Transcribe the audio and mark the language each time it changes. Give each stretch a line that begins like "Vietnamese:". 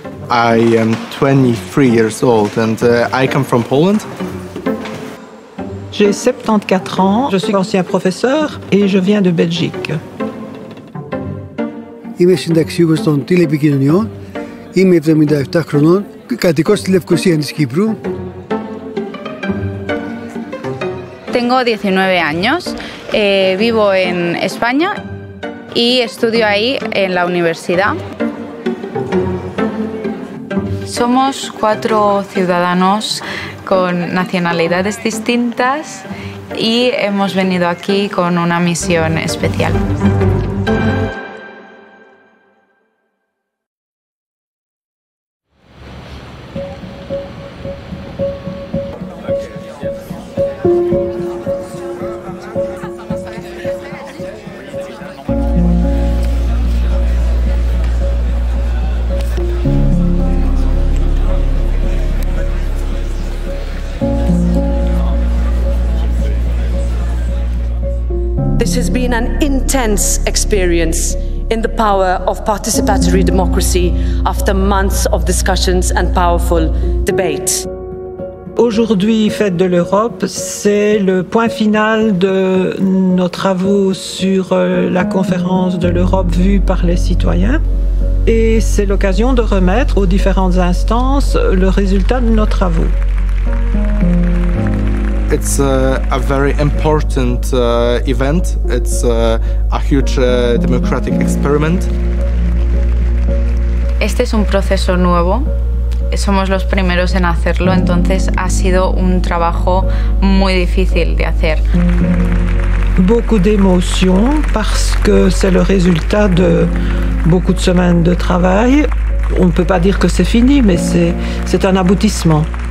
English: I am 23 years old and I come from Poland.
French: J'ai 74 ans, je suis ancien professeur et je viens de Belgique.
Greek: Είμαι συνταξιούχος των τηλεπικοινωνιών. Είμαι 77 χρονών, κατοικώ στη Λευκοσία της Κύπρου.
Spanish: Tengo 19 años, vivo en España y estudio ahí en la universidad. Somos cuatro ciudadanos con nacionalidades distintas y hemos venido aquí con una misión especial.
English: An intense experience in the power of participatory democracy after months of discussions and powerful debate.
French: Aujourd'hui, Fête de l'Europe, c'est le point final de nos travaux sur la conférence de l'Europe vue par les citoyens. Et c'est l'occasion de remettre aux différentes instances le résultat de nos travaux.
English: It's a very important event. It's a huge democratic experiment.
Spanish: Este es un proceso nuevo. Somos los primeros en hacerlo, entonces ha sido un trabajo muy difícil de hacer.
French: Beaucoup d'émotion parce que c'est le résultat de beaucoup de semaines de travail. On ne peut pas dire que c'est fini, mais c'est un aboutissement.